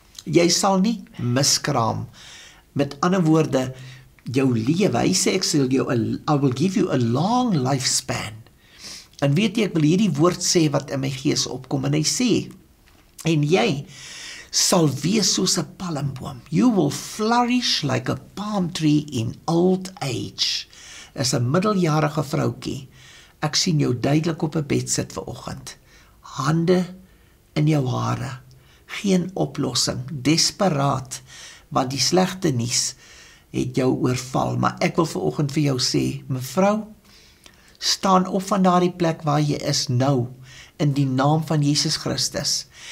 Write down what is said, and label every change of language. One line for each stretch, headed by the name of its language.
Afrikaans: Jy sal nie miskraam. Met ander woorde, jou lewe, hy sê,
English: I will give you a long lifespan.
Afrikaans: En weet jy, ek wil hierdie woord sê wat in my gees opkom, en hy sê, en jy sal wees soos 'n palmboom.
English: You will flourish like a palm tree in old age.
Afrikaans: As 'n middeljarige vroukie, ek sien jou duidelik op 'n bed sit vanoggend. Hande in jou hare, geen oplossing, desperaat, want die slegte nuus het jou oorval. Maar ek wil vanoggend vir jou sê, mevrou, staan op van daardie plek waar jy is nou, in die naam van Jesus Christus.